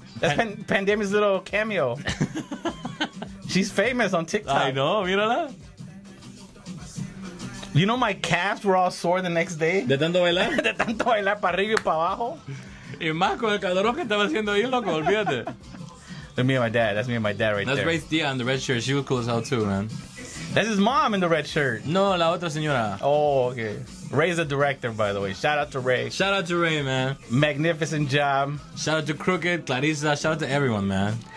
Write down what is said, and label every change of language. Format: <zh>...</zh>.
<en>That's Pandemia's little cameo. She's famous on TikTok. I know,</en> <es>mírala.</es> <en>You know my calves were all sore the next day?</en> <es>De tanto bailar? De tanto bailar para arriba y para abajo. Y más con el calor que estaba haciendo ahí, loco, olvídate.</es> <en>Me and my dad. That's me and my dad right That's there. That's Ray's tía in the red shirt. She was cool as hell too, man. That's his mom in the red shirt.</en> <es>No, la otra señora.</es> <en>Oh, okay. Ray's the director, by the way. Shout out to Ray. Shout out to Ray, man. Magnificent job. Shout out to Crooked, Clarissa. Shout out to everyone, man.</en>